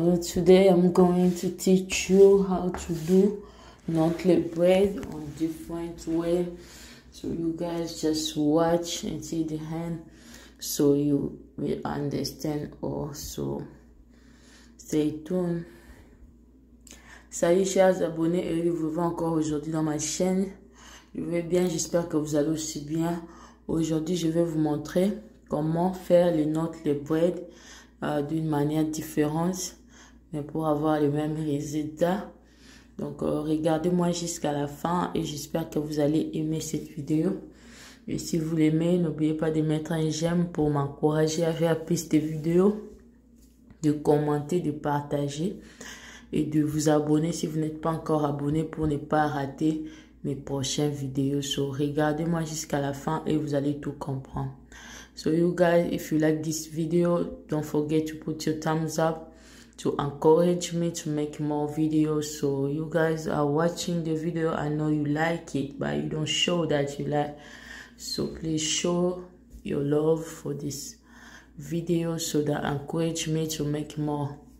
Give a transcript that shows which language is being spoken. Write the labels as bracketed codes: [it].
[en] Today I'm going to teach you how to do knotless braid on different way. So you guys just watch until the end so you will understand also. Stay tuned. [fr] Salut chers abonnés, et vous voyez encore aujourd'hui dans ma chaîne. Je vais bien, j'espère que vous allez aussi bien. Aujourd'hui, je vais vous montrer comment faire les knots, les braids d'une manière différente, mais pour avoir le même résultat. Donc, regardez-moi jusqu'à la fin et j'espère que vous allez aimer cette vidéo. Et si vous l'aimez, n'oubliez pas de mettre un j'aime pour m'encourager à faire plus de vidéos, de commenter, de partager et de vous abonner si vous n'êtes pas encore abonné pour ne pas rater mes prochaines vidéos. So regardez-moi jusqu'à la fin et vous allez tout comprendre. [en] So you guys, if you like this video, don't forget to put your thumbs up to encourage me to make more videos. So you guys are watching the video, I know you like it, but you don't show that you like. So please show your love for this video so that encourage me to make more.